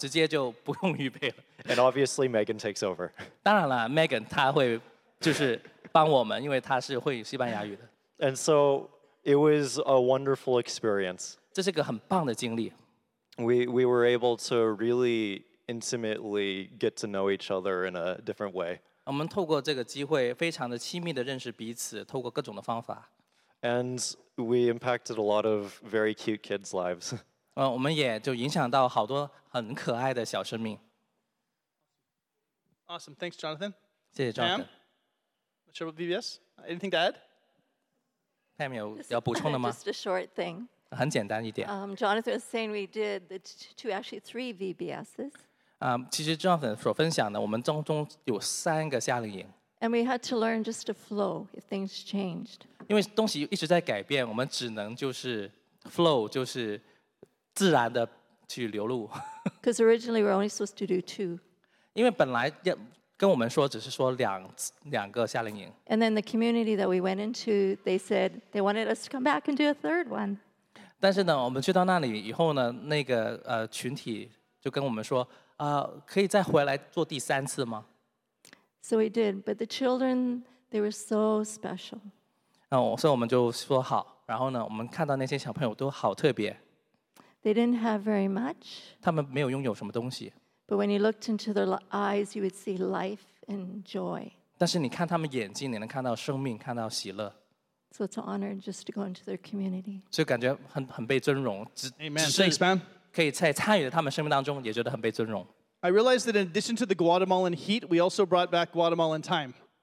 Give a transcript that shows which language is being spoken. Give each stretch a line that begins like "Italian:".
Chinese: 我们去到这个暑假夏令营呢，就很容易就流淌出来，直接就不用预备了。
English: And obviously Megan takes over.
Chinese: 当然了，Megan她会就是帮我们，因为她是会西班牙语的。
English: And so it was a wonderful experience.
Chinese: 这是个很棒的经历。
English: We were able to really intimately get to know each other in a different way.
Chinese: 我们透过这个机会，非常的亲密的认识彼此，透过各种的方法。
English: And we impacted a lot of very cute kids' lives.
Chinese: 我们也就影响到好多很可爱的小生命。
English: Awesome, thanks, Jonathan.
Chinese: 谢谢 Jonathan.
English: Pam, what's up with VBS? Anything to add?
Chinese: Pam, 有要补充的吗？
English: Just a short thing.
Chinese: 很简单一点。
English: Jonathan was saying we did the two, actually three VBSs.
Chinese: 其实 Jonathan 所分享的，我们当中有三个夏令营。
English: And we had to learn just to flow if things changed.
Chinese: 因为东西一直在改变，我们只能就是 flow， 就是自然的去流露。
English: Because originally we're only supposed to do two.
Chinese: 因为本来要跟我们说，只是说两个夏令营。
English: And then the community that we went into, they said they wanted us to come back and do a third one.
Chinese: 但是呢，我们去到那里以后呢，那个群体就跟我们说。可以再回来做第三次吗？
English: So we did, but the children, they were so special.
Chinese: 所以我们就说好，然后呢，我们看到那些小朋友都好特别。
English: They didn't have very much.
Chinese: 他们没有拥有什么东西。
English: But when you looked into their eyes, you would see life and joy.
Chinese: 但是你看他们眼睛，你能看到生命，看到喜乐。
English: So it's an honor just to go into their community.
Chinese: 所以感觉很被尊荣，只是。Amen. 可以在参与他们生命当中，也觉得很被尊荣。
English: I realized that in addition to the Guatemalan heat, we also brought back Guatemalan time.